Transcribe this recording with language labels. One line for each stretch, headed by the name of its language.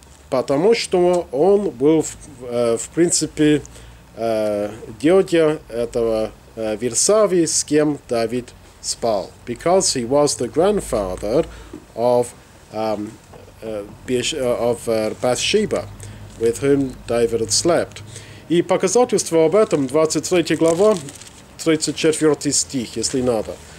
Russian: Потому что он был, в принципе, дядя этого Версавии, с кем Давид спал.
English: Because he was the grandfather of Bathsheba, with whom David had slept.
Russian: И показательство об этом, 23 глава, 34 стих, если надо.